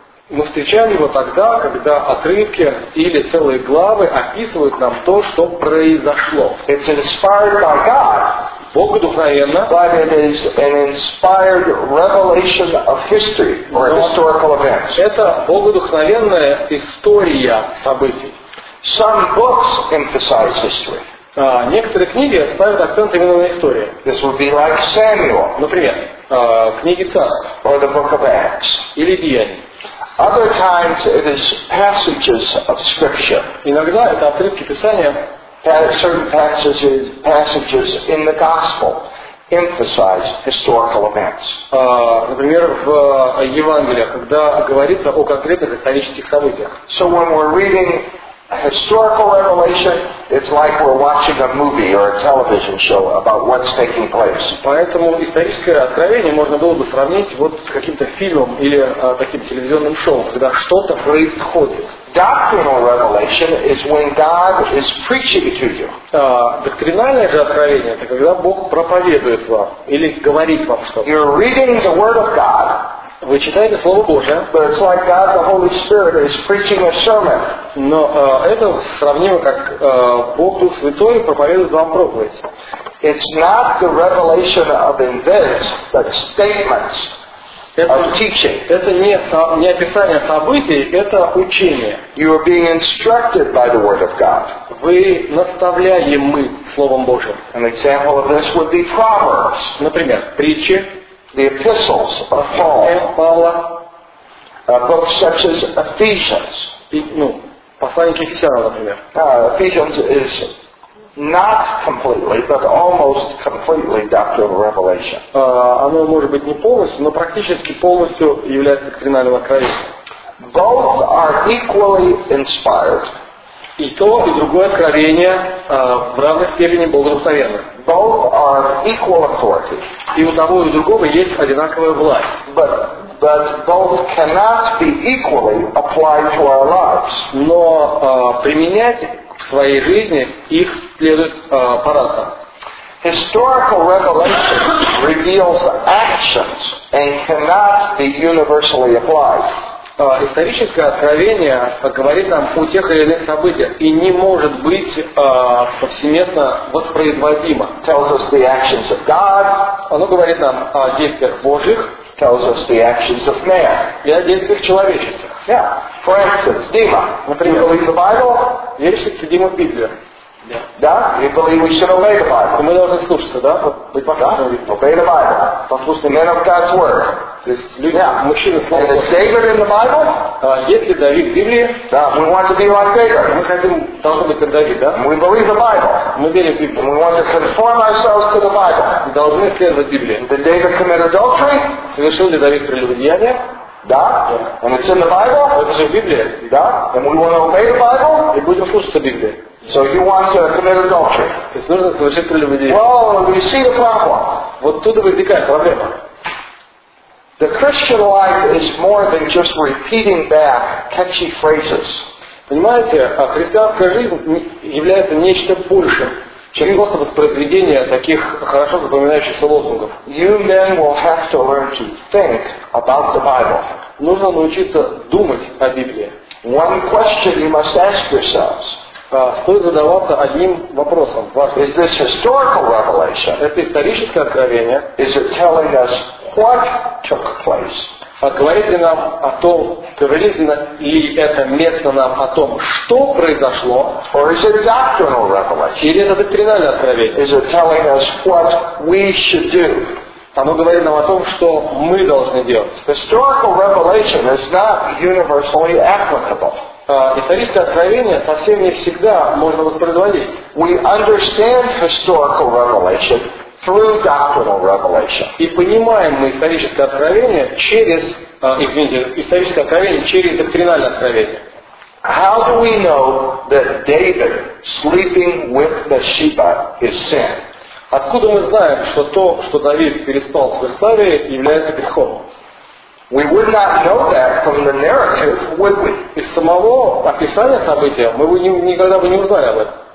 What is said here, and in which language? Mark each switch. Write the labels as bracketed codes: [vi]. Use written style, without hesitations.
[ru] Мы встречаем его тогда, когда отрывки или целые главы описывают нам то, что произошло. [en] It's inspired by God. [ru] Богодухновенно. [en] But it is an inspired revelation of history or historical events. [ru] Это богодухновенная история событий. [en] Some books emphasize history. [ru] Некоторые книги ставят акцент именно на истории. [en] This would be like Samuel. [ru] Например, книги Царств. [en] Or the Book of Acts. [ru] Или Деяния. [en] Other times it is passages of scripture. [ru] Иногда это отрывки Писания. [en] Certain passages in the gospel emphasize historical events. [ru] Например, в Евангелиях, когда говорится о конкретных исторических событиях. [en] So when we're reading historical revelation, it's like we're watching a movie or a television show about what's taking place. [ru] Поэтому историческое откровение можно было бы сравнить вот с каким-то фильмом или таким телевизионным шоу, когда что-то происходит. [en] Doctrinal revelation is when God is preaching to you. [ru] Доктринальное же откровение это когда Бог проповедует вам или говорит вам что-то. [en] You're reading the word of God. [ru] Вы читаете Слово Божие. [en] But it's like God, the Holy Spirit, is preaching a sermon. [ru] Но это сравнимо, как Бог Дух Святой проповедует вам проповедь. [en] It's not the revelation of events, but statements of teaching. [ru] Это не описание событий, это учение. [en] You are being instructed by the Word of God. [ru] Вы наставляемы Словом Божьим. [en] An example of this would be Proverbs. [ru] Например, притчи. [en] The epistles of Paul. books such as Ephesians. [ru] Послание к Ефесянам, например. [en] Ephesians is not completely, but almost completely doctrinal revelation. [ru] Оно может быть не полностью, но практически полностью является доктринальным откровением. [en] Both are equally inspired. [ru] И то, и другое откровение в равной степени благословенно. [en] Both are equal authority. [ru] И у того, и у другого есть одинаковая власть. [en] But both cannot be equally applied to our lives. [ru] Но применять в своей жизни их следует по-разному. [en] Historical revelation reveals actions and cannot be universally applied. [ru] Историческое откровение говорит нам о тех или иных событиях и не может быть повсеместно воспроизводимо. [en] Tells us the actions of God. [ru] Оно говорит нам о действиях Божьих. [en] Tells us the actions of man. [ru] И о действиях человеческих. [en] Yeah. For instance, Dima. [ru] Например, [en] believe the Bible? [ru] Верите в Диму Библию? Да? [en] We believe we should obey the Bible. [ru] Мы должны слушаться, да? Быть послушными. [en] Obey the Bible. [ru] Послушными. [en] Men of God's word. [ru] То есть люди, yeah. Мужчины слова Божьего. [en] Is David in the Bible? [ru] Если Давид в Библии? Да. [en] We want to be like David. [ru] Мы хотим, должны быть как Давид, да? [en] We believe the Bible. [ru] Мы верим в Библию. [en] We want to conform ourselves to the Bible. [ru] Мы должны следовать Библии. [en] Did David commit adultery? [ru] Совершил ли Давид прелюбодеяние? Да. [en] Yeah. And it's in the Bible? [ru] Это же в Библии. Да. [en] And we want to obey the Bible? [ru] И будем слушаться Библии. [en] So you want to commit adultery? [ru] То есть нужно совершить прелюбодеяние. [en] Well, you see the problem. [ru] Вот тут и возникает проблема. [en] The Christian life is more than just repeating back catchy phrases. [ru] Понимаете, христианская жизнь является нечто большим, чем просто воспроизведение таких хорошо запоминающихся лозунгов. [en] You then will have to learn to think about the Bible. [ru] Нужно научиться думать о Библии. [en] One question you must ask yourselves. [ru] Стоит задаваться одним вопросом. [en] Is this historical revelation? [ru] Это историческое откровение. [en] Is it telling us what took place? [ru] Говорит ли нам о том, говорит ли это место нам о том, что произошло? [en] Or is it doctrinal revelation? [ru] Или это доктринальное откровение? [en] Is it telling us what we should do? [ru] Оно говорит нам о том, что мы должны делать. [en] Historical revelation is not universally applicable. [ru] Историческое откровение совсем не всегда можно воспроизводить. [en] We understand historical revelation through doctrinal revelation. [ru] И понимаем мы историческое откровение через, историческое откровение через доктринальное откровение. [en] How do we know that David sleeping with Bathsheba is sin? [ru] Откуда мы знаем, что то, что Давид переспал с Версавией, является грехом? [en] We would not know that from the narrative, would we? [ru] Из самого описания события мы бы никогда бы не узнали об этом.